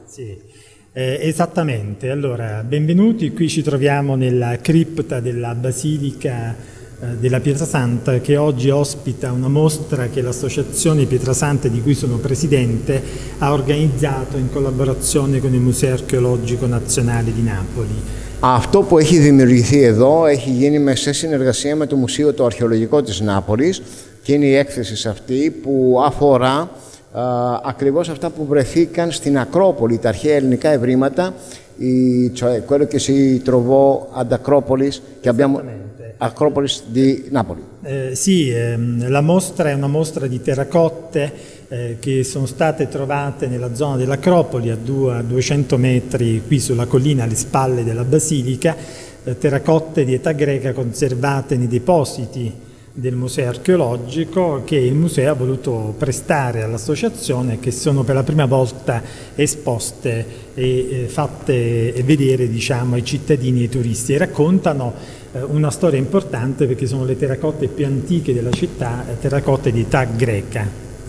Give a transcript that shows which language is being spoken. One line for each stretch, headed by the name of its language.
Italian: Sì, esattamente. Allora, benvenuti. Qui ci troviamo nella cripta della Basilica della Pietra Santa che oggi ospita una mostra che l'associazione Pietra Santa, di cui sono presidente, ha organizzato in collaborazione con il Museo Archeologico Nazionale di Napoli.
Greek: Αυτό που έχει δημιουργηθεί εδώ έχει γίνει σε συνεργασία με το Μουσείο το Αρχαιολογικό της Νάπολης και είναι η έκθεση σε αυτή που αφορά ακριβώς αυτά που βρεθήκαν στην Ακρόπολη, τα αρχαία ελληνικά ευρήματα,
Italian: quello che si trovò ad Acropolis, che abbiamo Acropolis di Napoli. Sì, la mostra è una mostra di terracotte che sono state trovate nella zona dell'Acropoli a 200 metri qui sulla collina alle spalle della Basilica, terracotte di età greca conservate nei depositi del museo archeologico che il museo ha voluto prestare all'associazione che sono per la prima volta esposte e fatte vedere diciamo ai cittadini e ai turisti e raccontano una storia importante perché sono le terracotte più antiche della città, terracotte di età greca.